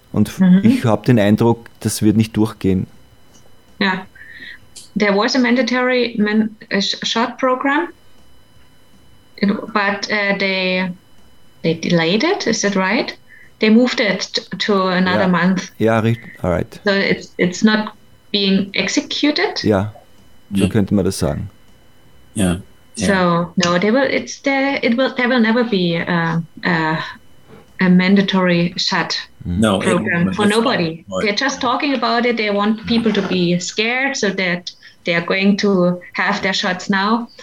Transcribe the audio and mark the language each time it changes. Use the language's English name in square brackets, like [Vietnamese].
[German] Und ich habe den Eindruck, das wird nicht durchgehen. [English] Yeah, there was a mandatory shot program, but they delayed it. Is that right? They moved it to another month. Yeah, all right. So it's not being executed. [German] Yeah, so könnte man das sagen. [English] Yeah. So no, there will never be a mandatory shut program for nobody. They're just talking about it. They want people to be scared so that they're going to have their shots now.